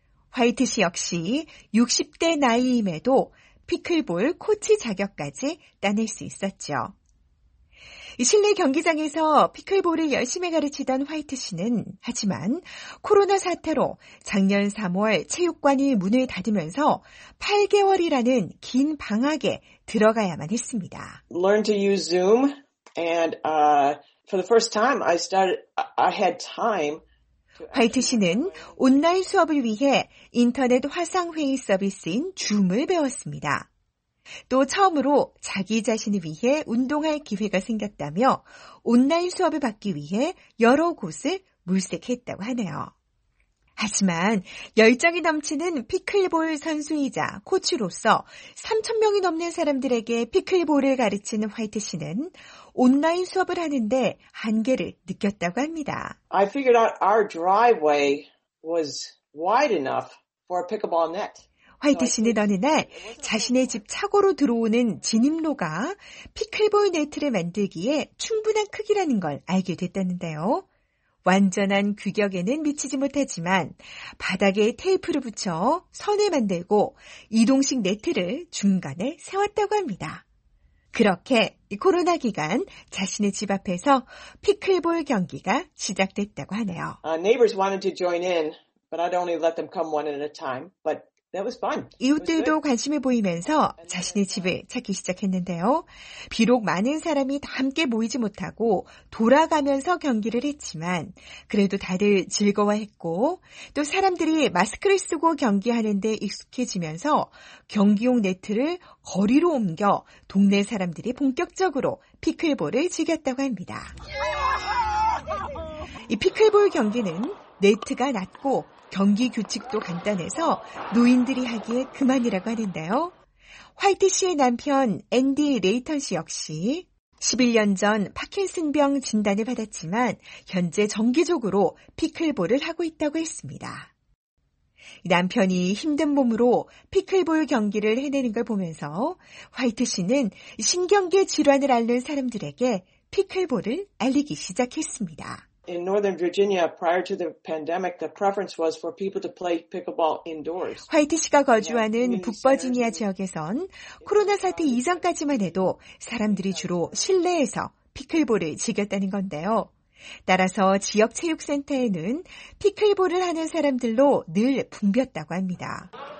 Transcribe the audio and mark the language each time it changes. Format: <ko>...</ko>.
<ko>화이트 씨 역시 60대 나이임에도 피클볼 코치 자격까지 따낼 수 있었죠. 실내 경기장에서 피클볼을 열심히 가르치던 화이트 씨는 하지만 코로나 사태로 작년 3월 체육관이 문을 닫으면서 8개월이라는 긴 방학에 들어가야만 했습니다.</ko> <en>Learn to use Zoom and for the first time I had time.</en> <ko>화이트 씨는 온라인 수업을 위해 인터넷 화상회의 서비스인 줌을 배웠습니다. 또 처음으로 자기 자신을 위해 운동할 기회가 생겼다며 온라인 수업을 받기 위해 여러 곳을 물색했다고 하네요. 하지만 열정이 넘치는 피클볼 선수이자 코치로서 3,000명이 넘는 사람들에게 피클볼을 가르치는 화이트 씨는 온라인 수업을 하는데 한계를 느꼈다고 합니다.</ko> <en>I figured out our driveway was wide enough for a pickleball net.</en> <ko>화이트 씨는 어느 날 자신의 집 차고로 들어오는 진입로가 피클볼 네트를 만들기에 충분한 크기라는 걸 알게 됐다는데요. 완전한 규격에는 미치지 못하지만 바닥에 테이프를 붙여 선을 만들고 이동식 네트를 중간에 세웠다고 합니다. 그렇게 코로나 기간 자신의 집 앞에서 피클볼 경기가 시작됐다고 하네요.</ko> <en>Neighbors wanted to join in, but I'd only let them come one at a time. But that was fun.</en> <ko>이웃들도 관심을 보이면서 자신의 집을 찾기 시작했는데요. 비록 많은 사람이 다 함께 모이지 못하고 돌아가면서 경기를 했지만 그래도 다들 즐거워했고 또 사람들이 마스크를 쓰고 경기하는 데 익숙해지면서 경기용 네트를 거리로 옮겨 동네 사람들이 본격적으로 피클볼을 즐겼다고 합니다. 이 피클볼 경기는 네트가 낮고 경기 규칙도 간단해서 노인들이 하기에 그만이라고 하는데요. 화이트 씨의 남편 앤디 레이턴 씨 역시 11년 전 파킨슨병 진단을 받았지만 현재 정기적으로 피클볼을 하고 있다고 했습니다. 남편이 힘든 몸으로 피클볼 경기를 해내는 걸 보면서 화이트 씨는 신경계 질환을 앓는 사람들에게 피클볼을 알리기 시작했습니다.</ko> <en>in Northern Virginia prior to the pandemic, the preference was for people to play pickleball indoors.</en> <ko>화이트 씨가 거주하는 북버지니아 지역에선 코로나 사태 이전까지만 해도 사람들이 주로 실내에서 피클볼을 즐겼다는 건데요. 따라서 지역 체육센터에는 피클볼을 하는 사람들로 늘 붐볐다고 합니다.</ko>